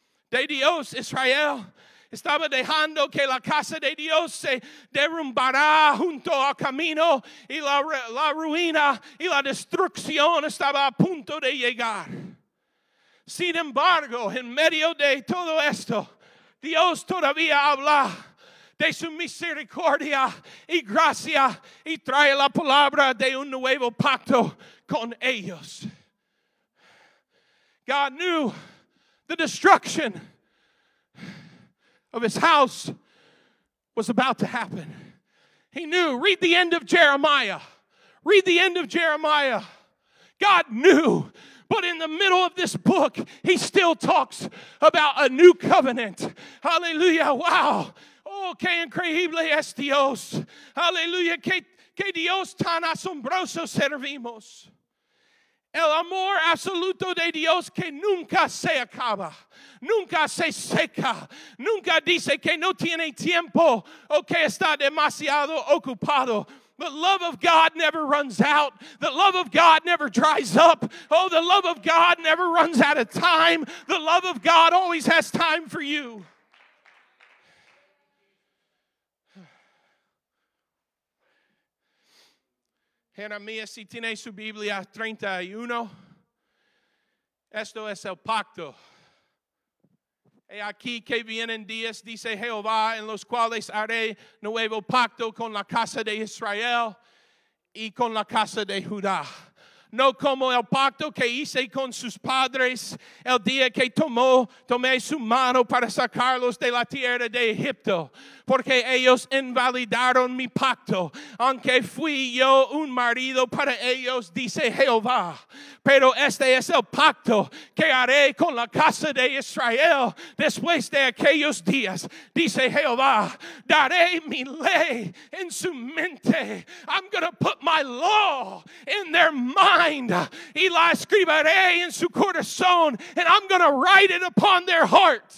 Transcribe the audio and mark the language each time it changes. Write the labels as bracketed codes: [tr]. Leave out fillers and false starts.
[es] De Dios, Israel, estaba dejando que la casa de Dios se derrumbara junto al camino y la ruina y la destrucción estaba a punto de llegar. Sin embargo, en medio de todo esto, Dios todavía habla de su misericordia y gracia y trae la palabra de un nuevo pacto con ellos. [en] God knew the destruction of his house was about to happen. He knew. Read the end of Jeremiah. Read the end of Jeremiah. God knew. But in the middle of this book, he still talks about a new covenant. [es] Hallelujah. Wow. Oh, que increíble es Dios. Hallelujah. Que Dios tan asombroso servimos. El amor absoluto de Dios que nunca se acaba, nunca se seca, nunca dice que no tiene tiempo o que está demasiado ocupado. [en] The love of God never runs out. The love of God never dries up. Oh, the love of God never runs out of time. The love of God always has time for you. [es] Jeremías, si tiene su Biblia, 31. Esto es el pacto. He aquí que vienen días, dice Jehová, en los cuales haré nuevo pacto con la casa de Israel y con la casa de Judá. no como el pacto que hice con sus padres el día que tomé su mano para sacarlos de la tierra de Egipto, porque ellos invalidaron mi pacto, aunque fui yo un marido para ellos, dice Jehová. Pero este es el pacto que haré con la casa de Israel después de aquellos días, dice Jehová. Daré mi ley en su mente. [en] I'm going to put my law in their mind. [es] Y la escribiré en su corazón. [en] And I'm going to write it upon their heart.